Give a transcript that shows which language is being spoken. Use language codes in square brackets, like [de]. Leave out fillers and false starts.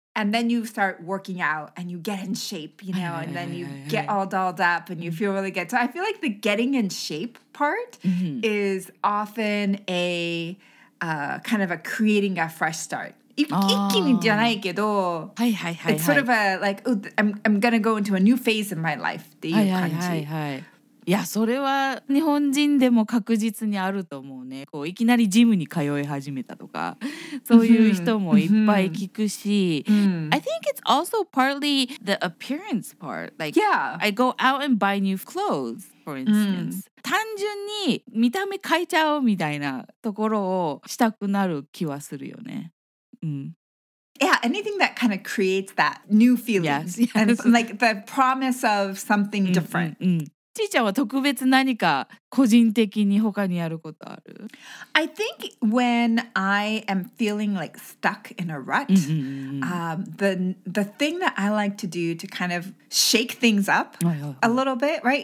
[en] And then you start working out and you get in shape, you know, and then you get all dolled up and you feel really good. So I feel like the getting in shape part is often a kind of a creating a fresh start. [ja] 一気にじゃないけど、はいはいはい。 [en] It's sort of a like, oh, I'm going to go into a new phase in my life. [ja] っていう感じ。はいはいはい。いや、それは日本人でも確実にあると思うね。こういきなりジムに通い始めたとか、そういう人もいっぱい聞くし。 [en] I think it's also partly the appearance part. Like, I go out and buy new clothes, for instance. [ja] 単純に見た目変えちゃおうみたいなところをしたくなる気はするよね。 [en] Yeah, anything that kind of creates that new feeling. Yes. And like the promise of something different. I think when I am feeling like stuck in a rut, the thing that I like to do to kind of shake things up a little bit, right?